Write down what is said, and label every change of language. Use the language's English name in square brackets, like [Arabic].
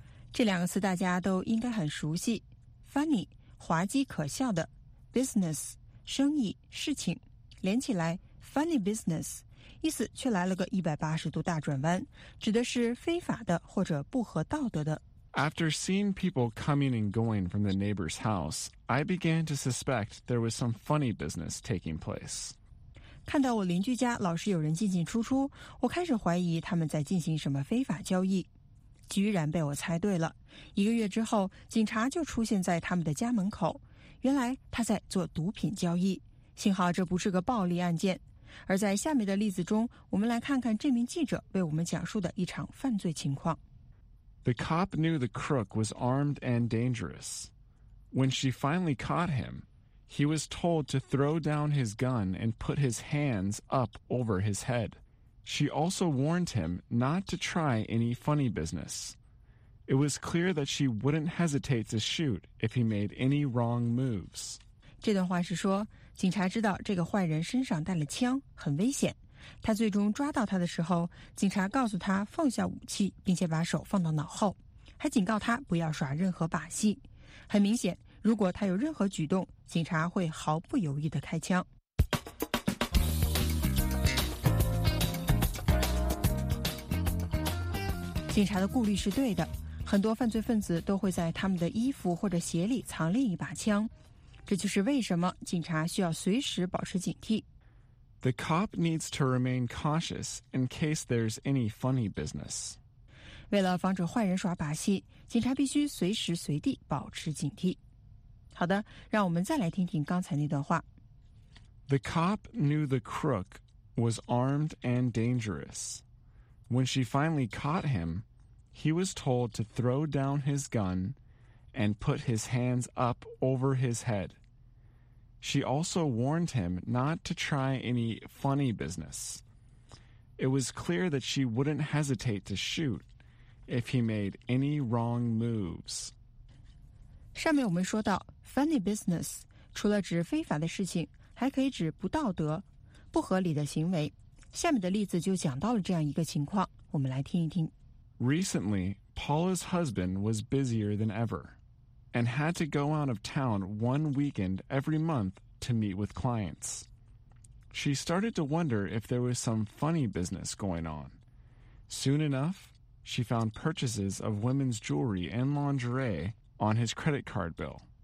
[Chinese] 这两个词大家都应该很熟悉。Funny, 滑稽可笑的。 Business, 生意、事情。连起来 ,funny business, 意思却来了个180度大转弯，指的是非法的或者不合道德的。 [English] After seeing people coming and going from the neighbor's house, I began to suspect there was some funny business taking place. [Chinese] 看到我邻居家老是有人进进出出，我开始怀疑他们在进行什么非法交易。居然被我猜对了，一个月之后警察就出现在他们的家门口，原来他在做毒品交易。幸好这不是个暴力案件。而在下面的例子中，我们来看看这名记者为我们讲述的一场犯罪情况。 [English] The cop knew the crook was armed and dangerous. When she finally caught himHe was told to throw down his gun and put his hands up over his head. She also warned him not to try any funny business. It was clear that she wouldn't hesitate to shoot if he made any wrong moves. [Chinese] 这段话是说，警察知道这个坏人身上带了枪，很危险。他最终抓到他的时候，警察告诉他放下武器，并且把手放到脑后，还警告他不要耍任何把戏。很明显，如果他有任何举动，警察会毫不犹豫地开枪。警察的顾虑是对的，很多犯罪分子都会在他们的衣服或者鞋里藏另一把枪，这就是为什么警察需要随时保持警惕。 [English] The cop needs to remain cautious in case there's any funny business. [Chinese] 为了防止坏人耍把戏，警察必须随时随地保持警惕。好的，让我们再来听听刚才那段话。 [English] The cop knew the crook was armed and dangerous. When she finally caught him, he was told to throw down his gun and put his hands up over his head. She also warned him not to try any funny business. It was clear that she wouldn't hesitate to shoot if he made any wrong moves. [Chinese] 上面我们说到 funny business 除了指非法的事情，还可以指不道德、不合理的行为。下面的例子就讲到了这样一个情况，我们来听一听。 [English] Recently, Paula's husband was busier than ever. And had to go out of town one weekend every month to meet with clients. She started to wonder if there was some funny business going on. Soon enough, she found purchases of women's jewelry and lingerie on his credit card bill.